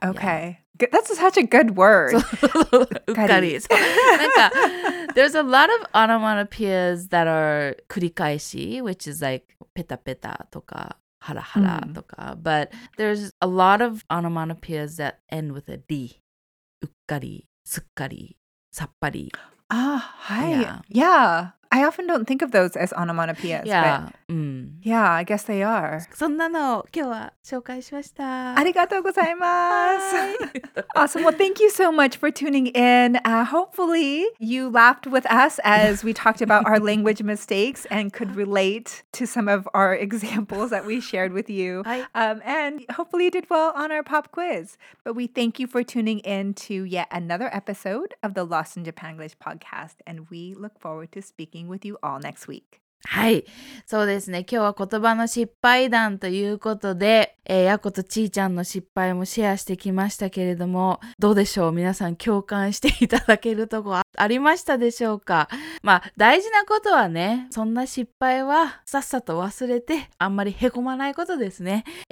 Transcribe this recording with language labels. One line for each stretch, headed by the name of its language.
English: Okay.、Yeah. That's such a good word.
Japanese: うっかり。なんか、
English: there's a lot of onomatopoeias that are 繰り返し、which is like, ペタペタとか。
Japanese: ハラハラとか、mm.
English: but there's a lot of onomatopoeias that end with a D.
Japanese: うっかり、すっかり、さっぱり。
English: Ah, hi. Yeah. I often don't think of those as onomatopoeias. Yeah. But、mm. yeah, I guess they are.
Japanese: そんなの今日は紹介しました。ありがとうございます。
English: awesome. Well, thank you so much for tuning in.、hopefully you laughed with us as we talked about our language mistakes and could relate to some of our examples that we shared with you. 、and hopefully you did well on our pop quiz. But we thank you for tuning in to yet another episode of the Lost in Japan English podcast. And we look forward to speaking with you all next week.
Japanese: はい。そうですね。今日は言葉の失敗談ということで、ヤコとちーちゃんの失敗もシェアしてきましたけれども、どうでしょう？皆さん共感していただけるとこありましたでしょうか？まあ、大事なことはね、そんな失敗はさっさと忘れて、あんまりへこまないことですね。